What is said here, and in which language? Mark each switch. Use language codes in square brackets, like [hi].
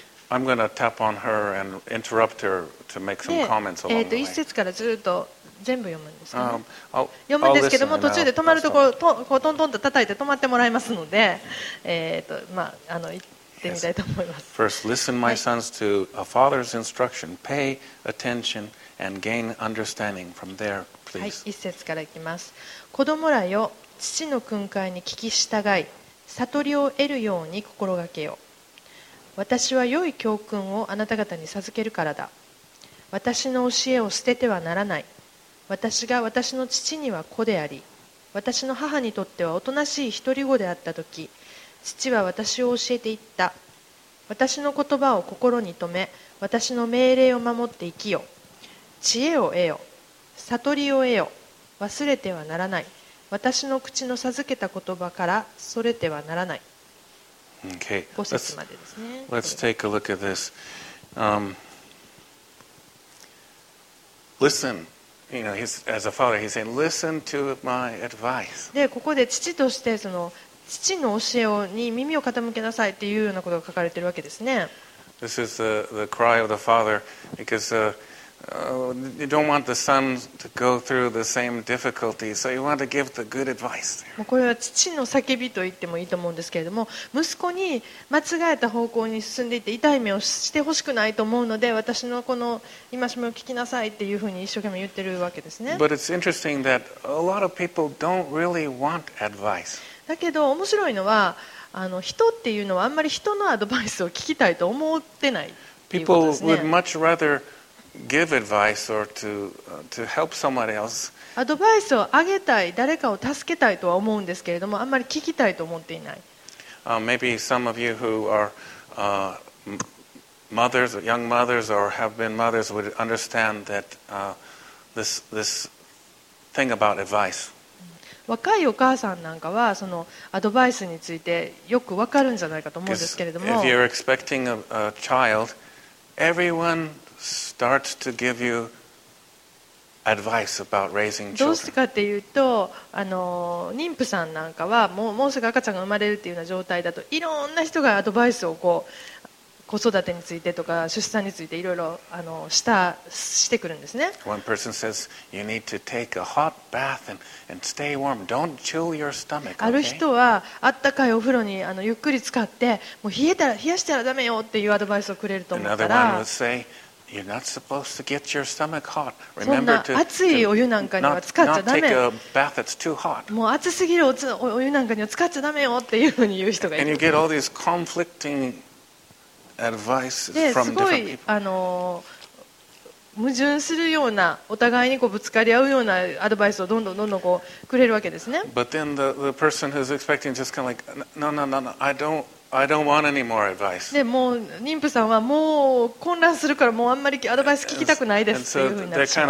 [en] I'm going to tap on her and interrupt her to make some comments along the way. [ja] 一節からずっと全部読むんですか、読むんですけども、途中で止まるところをこうトントンと叩いて止まってもらいますので、行ってみたいと思います。 [en] Yes. First, listen, my sons, to a father's instruction. Pay attention and gain understanding from there, please. [ja] はい、一節からいきます。子供らよ、父の訓戒に聞き従い、悟りを得るように心がけよ。私は良い教訓をあなた方に授けるからだ。私の教えを捨ててはならない。私が私の父には子であり、私の母にとってはおとなしい独り子であったとき、父は私を教えていった。私の言葉を心に留め、私の命令を守って生きよ。知恵を得よ。悟りを得よ。忘れてはならない。私の口の授けた言葉からそれてはならない。 [en] Okay, let's take a look at this. Listen, you know, he's, as a father, he's saying, listen to my advice. [ja] で、ここで父としてその父の教えをに耳を傾けなさいっていうようなことが書かれているわけですね。 [en] This is the cry of the father because you don't want the son to go through the same difficulty, so you want to give the good advice. [ja] もうこれは父の叫びと言ってもいいと思うんですけれども、息子に間違えた方向に進んでいて痛い目をしてほしくないと思うので、私のこの戒めを聞きなさいっていうふうに一生懸命言ってるわけですね。 [en] But it's interesting that a lot of people don't really want advice. [ja] だけど面白いのは、人っていうのはあんまり人のアドバイスを聞きたいと思ってないっていうことですね。 [en] People would much rather give advice or to help somebody else. [ja] アドバイスをあげたい、誰かを助けたいとは思うんですけれども、あんまり聞きたいと思っていない。 [en] Maybe some of you who are mothers, young mothers, or have been mothers would understand that this thing about advice. [ja] 若いお母さんなんかはそのアドバイスについてよくわかるんじゃないかと思うんですけれども。 [en] If you're expecting a child, everyone. Starts to give you advice about raising children. [ja] どうしてかっていうと、妊婦さんなんかはもうすぐ赤ちゃんが生まれるっていうような状態だと、いろんな人がアドバイスをこう子育てについてとか出産についていろいろしてくるんですね。 [en] One person says, you need to take a hot bath and stay warm. Don't chill your stomach, [ja] okay? ある人はあったかいお風呂にゆっくり浸かってもう冷やしたらダメよっていうアドバイスをくれると思ったら、 [en] Another one would say, you're not supposed to get your stomach hot. Remember to not take a bath that's too hot. [ja] 熱いお湯なんかには使っちゃダメ。 [en] Not take a bath that's too hot. [ja] もう熱すぎるお湯なんかには使っちゃダメよっていうふうに言う人がいる。 [en] And you get all these conflicting advice from different [ja] people. ですごい矛盾するようなお互いにこうぶつかり合うようなアドバイスをどんどんどんどんこうくれるわけですね。 [en] But then the person who's expecting just kind of like, no, I don't want any more advice. [ja] でもう妊婦さんはもう混乱するからもうあんまりアドバイス聞きたくないですっていうふうになっちゃう。